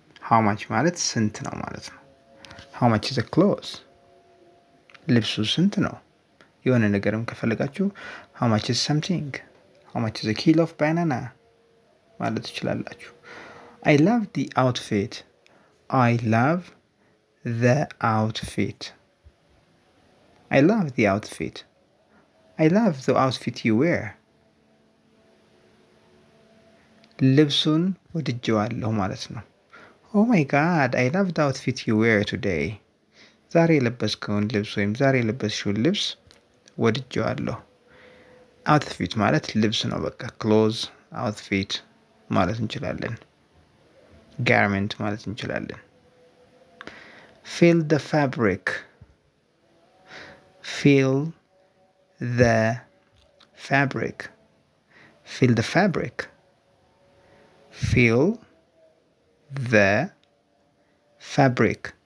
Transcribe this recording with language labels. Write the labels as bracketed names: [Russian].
[English] How much [Amharic] ማለት ስንት ነው ማለት ነው? [English] How much is the clause? Lipsu centeno. [Amharic] የሆነ ነገርም ከፈለጋችሁ [English] how much is something? How much is a kilo of banana? [Amharic] ማለት ትችላላችሁ. [English] I love the outfit. I love the outfit. I love the outfit. I love the outfit you wear. [Amharic] ልብሱን ወድጄዋለሁ ማለት ነው. [English] Oh my god, I love the outfit you wear today. [Amharic] ዛሬ ለበስከውን ልብስ ወይም ዛሬ ለበስሽው ልብስ ወድጄዋለሁ. Outfit ማለት ልብስ ነው በቃ. [English] Clothes, outfit [Amharic] ማለት እንችላለን. Garment ማለት እንችላለን. [English] Feel the fabric. Feel the fabric. Feel the fabric. Feel the fabric.